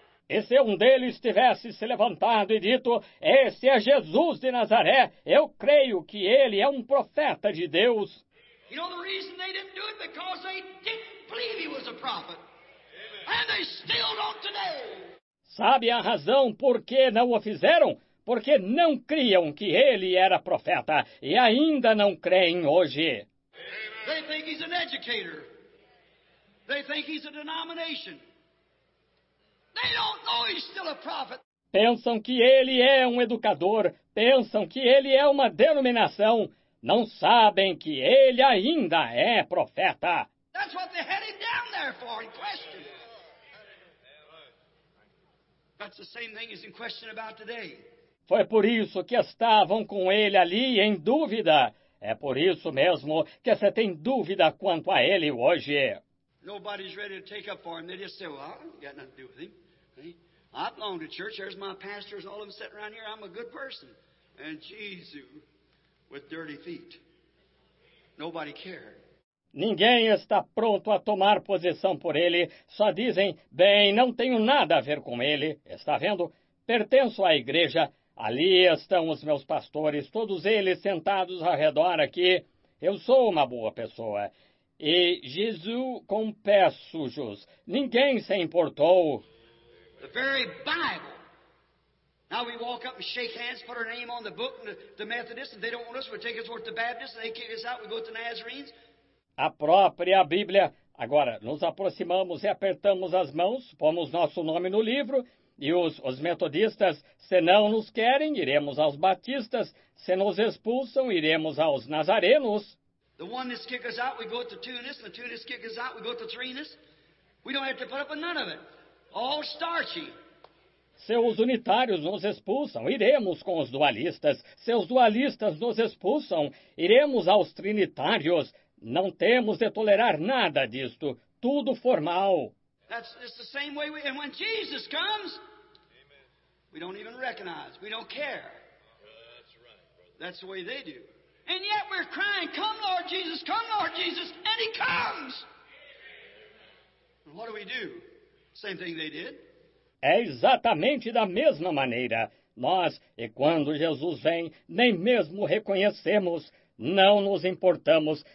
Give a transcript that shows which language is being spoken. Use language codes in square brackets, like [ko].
[pt] Esse um deles tivesse se levantado e dito, esse é Jesus de Nazaré, eu creio que ele é um profeta de Deus. [en] You know the reason they didn't do it? Because they didn't believe he was a prophet. And they still don't today. [pt] Sabe a razão por que não o fizeram? Porque não criam que ele era profeta e ainda não creem hoje. [en] They think he's an educator. They think he's a denomination. They don't know he's still a prophet. [pt] Pensam que ele é um educador. Pensam que ele é uma denominação. Não sabem que ele ainda é profeta. [en] That's what they had him down there for, in question. That's the same thing as in question about today. [pt] Foi por isso que estavam com ele ali em dúvida. É por isso mesmo que você tem dúvida quanto a ele hoje. [en] Nobody's ready to take up for him. They just say, well, I ain't got nothing to do with him. I belong to church. There's my pastors, all of them sitting around here. I'm a good person. And Jesus. With dirty feet. Nobody cared. [pt] Ninguém está pronto a tomar posição por ele. Só dizem, bem, não tenho nada a ver com ele. Está vendo? Pertenço à igreja. Ali estão os meus pastores, todos eles sentados ao redor aqui. Eu sou uma boa pessoa. E Jesus com pés sujos. Ninguém se importou. [en] The very Bible. Now we walk up and shake hands, put our name on the book, and the Methodists, and they don't want us, we take us over to the Baptists, and they kick us out, we go to the Nazarenes. [pt] A própria Bíblia. Agora, nos aproximamos e apertamos as mãos, pomos nosso nome no livro, e os metodistas, se não nos querem, iremos aos batistas, se nos expulsam, iremos aos nazarenos. [en] The one that kick us out, we go to Tunis, and the two that kick us out, we go to Trinus. We don't have to put up with none of it. All starchy. [pt] Seus unitários nos expulsam, iremos com os dualistas. Seus dualistas nos expulsam, iremos aos trinitários. Não temos de tolerar nada disto, tudo formal. [en] That's the same way we, and when Jesus comes, amen. We don't even recognize, we don't care. That's right, brother. That's the way they do. And yet we're crying, come Lord Jesus, and he comes. And what do? Same thing they did. [pt] É exatamente da mesma maneira. Nós, e quando Jesus vem, nem mesmo reconhecemos, não nos importamos.